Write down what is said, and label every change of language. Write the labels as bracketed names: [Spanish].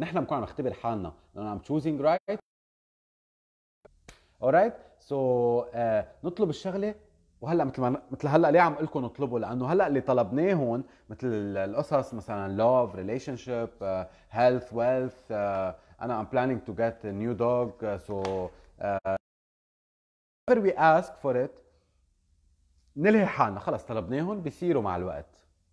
[Arabic] نحن بنكون عم نختبر حالنا لانه عم تشوزينج رايت. Alright, so نطلب الشغلة. وهلا مثل هلا ليه عم قلكم نطلبه؟ لأنه هلا اللي طلبناه هون مثل القصص, مثلا [English] love, relationship, health, wealth. [Arabic] أنا [English] I'm planning to get a new dog. So whenever we ask for it, [Arabic] نلهي حالنا خلص طلبناه هون بيصيروا مع الوقت.